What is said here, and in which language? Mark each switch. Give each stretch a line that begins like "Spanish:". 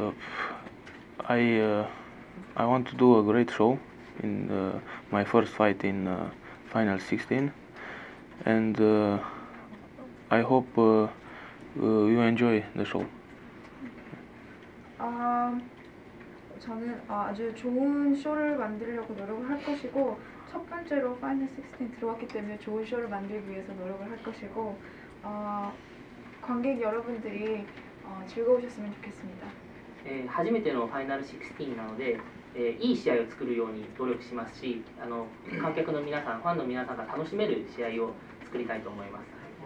English: I want to do a great show in my first fight in Final 16 and I hope you enjoy the show.
Korean: 저는 아주 좋은 쇼를 만들려고 노력을 할 것이고 첫 번째로 파이널 16 들어왔기 때문에 좋은 쇼를 만들기 위해서 노력을 할 것이고 관객 여러분들이 즐거우셨으면 좋겠습니다.
Japanese: 初めての Final 16なので いい試合を作るように努力しますし、観客の皆さん、ファンの皆さんが楽しめる試合を作りたいと思います。